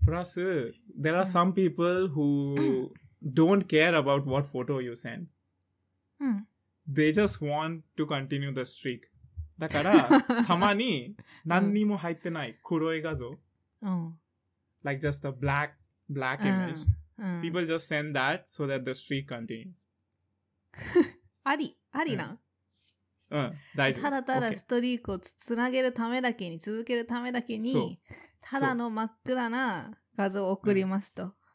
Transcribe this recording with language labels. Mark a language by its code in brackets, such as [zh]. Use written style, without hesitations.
[en] プラス、there are some people who don't care about what photo you send. [ja] うん。 [en] They just want to continue the streak. [ja] だから、たまに、何にも入ってない黒い画像。うん。 [en] like just a black image.、 [ja] うんうん、 [en] people just send that so that the streak continues. [ja] ありな、うん。うん、大丈夫。ただただストリークをつなげるためだけに、続けるためだけに、ただの真っ暗な画像を送りますと。